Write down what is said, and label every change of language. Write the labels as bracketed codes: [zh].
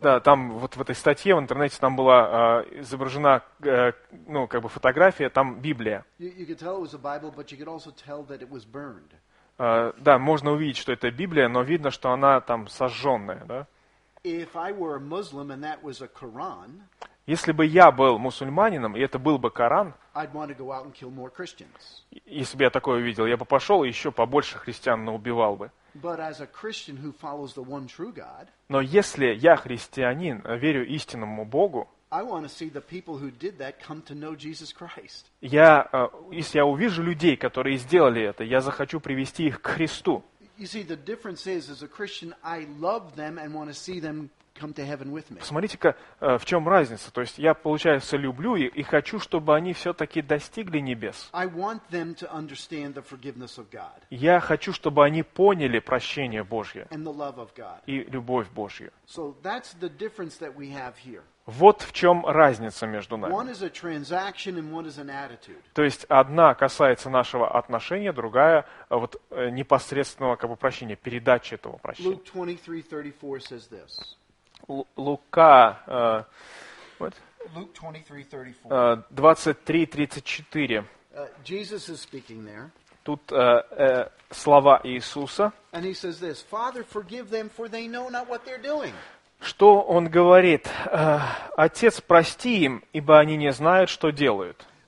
[ru] Да, там вот в этой статье в интернете там была изображена, ну, как бы фотография, там Библия. [en] You could tell it was a Bible, but you could also tell that it was burned. [ru] Да, можно увидеть, что это Библия, но видно, что она там сожженная, да? [en] If I were a Muslim and that was a Quran, [ru] если бы я был мусульманином, и это был бы Коран, [en] I'd want to go out and kill more Christians. [ru] Если бы я такое увидел, я бы пошел и еще побольше христиан наубивал бы. [en] But as a Christian who follows the one true God, [ru] но если я христианин, верю истинному Богу, [en] I want to see the people who did that come to know Jesus Christ. [ru] Я, если я увижу людей, которые сделали это, я захочу привести их к Христу. [en] You see, the difference is, as a Christian, I love them and want to see them come to heaven with me. [ru] Посмотрите-ка, в чем разница. То есть я, получается, люблю их и хочу, чтобы они все-таки достигли небес. [en] I want them to understand the forgiveness of God. [ru] Я хочу, чтобы они поняли прощение Божье. [en] And the love of God. [ru] И любовь Божью. [en] So that's the difference that we have here. [ru] Вот в чем разница между нами. [en] One is a transaction and one is an attitude. [ru] То есть одна касается нашего отношения, другая вот непосредственного как бы прощения, передачи этого прощения. [en] Luke 23:34 says this. [ru] Лука, [en] what? Luke 23:34. Jesus is speaking there. [ru] Тут слова Иисуса. [en] And he says this: Father, forgive them, for they know not what they're doing. [ru] Что он говорит? Отец, прости им, ибо они не знают, что делают.